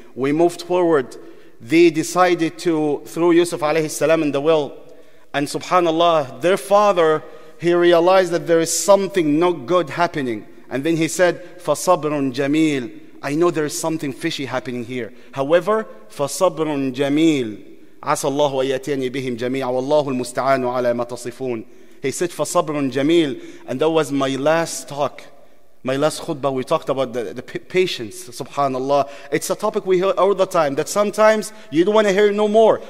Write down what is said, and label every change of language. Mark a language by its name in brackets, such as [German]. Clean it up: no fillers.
[English] We moved forward. They decided to throw Yusuf alayhi salam in the well. And subhanAllah, their father, he realized that there is something not good happening. And then he said, [Arabic] فَصَبْرٌ جَمِيلٌ. [English] I know there is something fishy happening here. However, [Arabic] فَصَبْرٌ جَمِيلٌ. عَسَى اللَّهُ أَيَّتِينِ بِهِمْ جَمِيعًا وَاللَّهُ الْمُسْتَعَانُ عَلَى مَا تَصِفُونَ. [English] He said, [Arabic] فَصَبْرٌ جَمِيلٌ. [English] And that was my last talk. My last khutbah, we talked about the patience, subhanAllah. It's a topic we hear all the time, that sometimes you don't want to hear it no more.